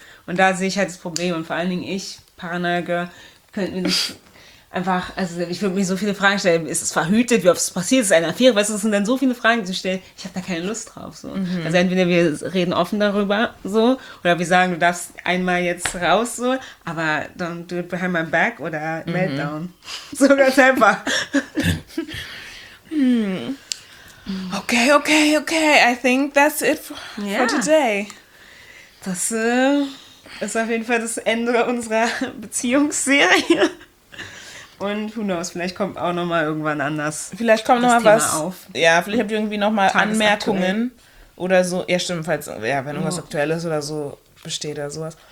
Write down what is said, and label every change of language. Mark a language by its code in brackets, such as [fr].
[de] Und da sehe ich halt das Problem und vor allen Dingen ich, Paranoia, könnte mir nicht einfach, also ich würde mir so viele Fragen stellen, ist es verhütet, wie oft es passiert, ist es eine Affäre, weißt du, es sind dann so viele Fragen zu stellen, ich habe da keine Lust drauf, so. Also entweder wir reden offen darüber, so, oder wir sagen, du darfst einmal jetzt raus, so, aber [en] don't do it behind my back [de] oder meltdown. So ganz einfach. [en] Okay, I think that's it for today. [de] Das ist auf jeden Fall das Ende unserer Beziehungsserie. Und [en] who knows, [de] vielleicht kommt auch nochmal irgendwann anders. Vielleicht kommt nochmal was. Auf. Ja, vielleicht habt ihr irgendwie nochmal Anmerkungen oder so. Ja, stimmt, wenn irgendwas aktuell ist oder so, besteht oder sowas.